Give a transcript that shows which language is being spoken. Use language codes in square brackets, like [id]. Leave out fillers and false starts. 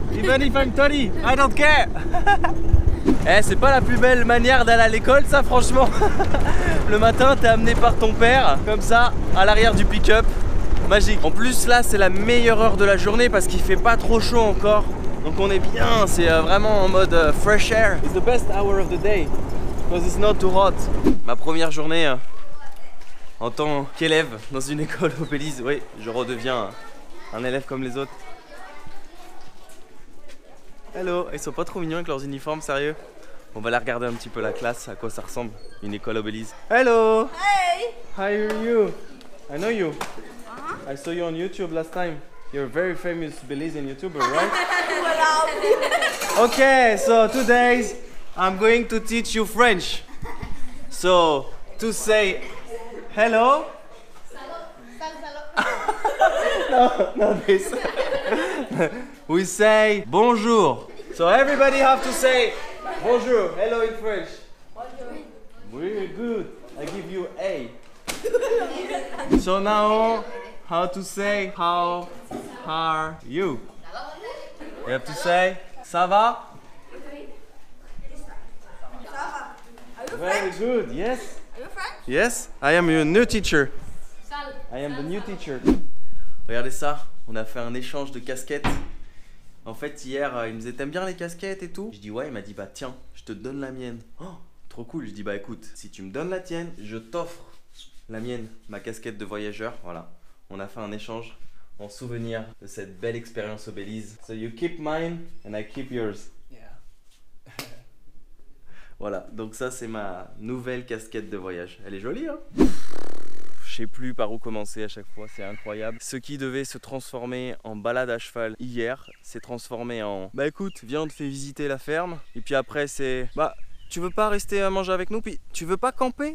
[en] Even if I'm 20, I don't care. [fr] Eh, c'est pas la plus belle manière d'aller à l'école ça, franchement. Le matin t'es amené par ton père comme ça à l'arrière du pick-up. Magique. En plus là c'est la meilleure heure de la journée parce qu'il fait pas trop chaud encore. Donc on est bien, c'est vraiment en mode fresh air. [en] It's the best hour of the day because it's not too hot. [fr] Ma première journée en tant qu'élève dans une école au Belize. Oui, je redeviens un élève comme les autres. Hello, ils sont pas trop mignons avec leurs uniformes, sérieux. On va aller regarder un petit peu la classe, à quoi ça ressemble, une école au Belize. [en] Hello. Hey. How are you? I know you. Uh-huh. I saw you on YouTube last time. You're a very famous Belizean YouTuber, right? [fr] Voilà. [en] Okay, so today I'm going to teach you French. So, to say hello. No, this. We say bonjour. So everybody have to say bonjour, hello in French. [fr] Bonjour. [en] Very good. I give you A. So now, how to say how are you? You have to say [fr] ça va? [en] Very good. Yes. Are you French? Yes. I am your new teacher. Sal. I am the new teacher. [fr] Regardez ça, on a fait un échange de casquettes. En fait, hier, il me disait, t'aimes bien les casquettes et tout? Je dis, ouais, il m'a dit, bah tiens, je te donne la mienne. Oh, trop cool. Je dis, bah écoute, si tu me donnes la tienne, je t'offre la mienne, ma casquette de voyageur. Voilà, on a fait un échange en souvenir de cette belle expérience au Belize. [en] So you keep mine and I keep yours. Yeah. [fr] Voilà, donc ça, c'est ma nouvelle casquette de voyage. Elle est jolie, hein? Je sais plus par où commencer à chaque fois, c'est incroyable. Ce qui devait se transformer en balade à cheval hier, s'est transformé en... Bah écoute, viens, on te fait visiter la ferme. Et puis après, c'est... Bah, tu veux pas rester à manger avec nous? Puis, tu veux pas camper?